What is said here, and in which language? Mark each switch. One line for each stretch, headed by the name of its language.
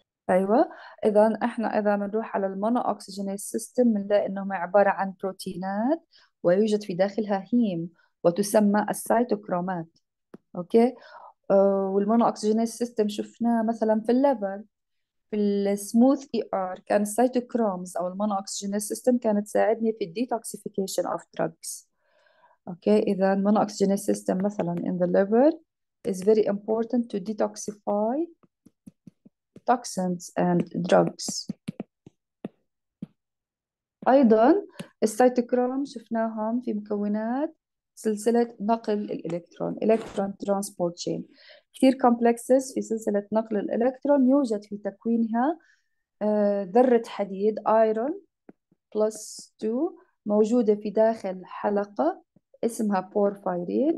Arabic: أيوة، إذا إحنا إذا بنروح على المونو أكسجينيز سيستم بنلاقي إنه عبارة عن بروتينات ويوجد في داخلها هيم وتسمى السيتوكرومات. أوكي، والمونو أكسجينيز سيستم شفناه مثلا في الليفر، في السموث اي ار كان السيتوكرومز او المونو أكسجينيز سيستم كانت تساعدني في الديتوكسيفيكيشن اوف دراجز. اوكي، اذا المونو أكسجينيز سيستم مثلا
English: in the liver is very important to detoxify toxins and drugs.
Arabic: ايضا السيتوكروم شفناهم في مكونات سلسلة نقل الإلكترون، إلكترون ترانسبورت شين. كثير كومبلكسز في سلسلة نقل الإلكترون، يوجد في تكوينها ذرة حديد آيرون بلس 2 موجودة في داخل حلقة اسمها بورفايرين.